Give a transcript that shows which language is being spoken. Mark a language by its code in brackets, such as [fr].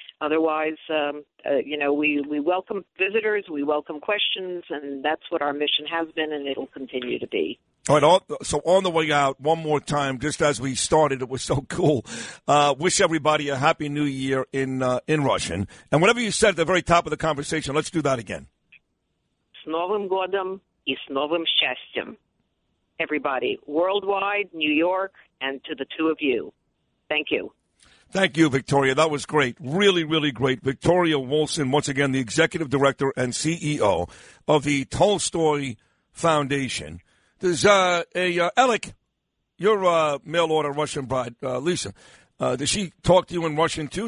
[en] Otherwise, we welcome visitors, we welcome questions, and that's what our mission has been, and it'll continue to be. All right, so on the way out, one more time, just as we started, it was so cool. Wish everybody a happy new year in Russian. And whatever you said at the very top of the conversation, let's do that again. [ru] С Новым годом и с новым счастьем. [en] Everybody, worldwide, New York, and to the two of you. Thank you. Thank you, Victoria. That was great. Really, really great. Victoria Wilson, once again, the executive director and CEO of the Tolstoy Foundation. Does Alec, your mail order Russian bride, Lisa, does she talk to you in Russian too?